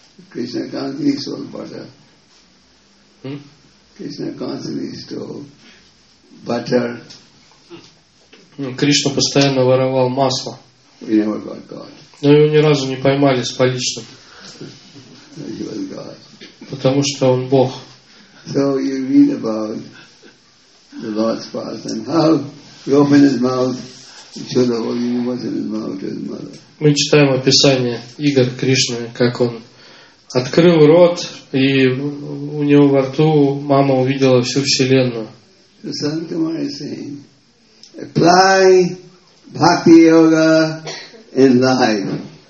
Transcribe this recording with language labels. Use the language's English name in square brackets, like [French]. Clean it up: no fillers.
[English] Krishna constantly stole butter. Krishna constantly stole butter. [Russian] Кришна постоянно воровал масло. [English] We never got caught. [Russian] Но его ни разу не поймали с поличным. [English] He was God. [Russian] Потому что он Бог. [English] So you read about the Lord's past and how he opened his mouth and showed the whole universe in his mouth to his mother. [Russian] Мы читаем описание игр Кришны, как он открыл рот, и у него во рту мама увидела всю вселенную. [English] So Sanat Kumar is saying, apply bhakti yoga in life.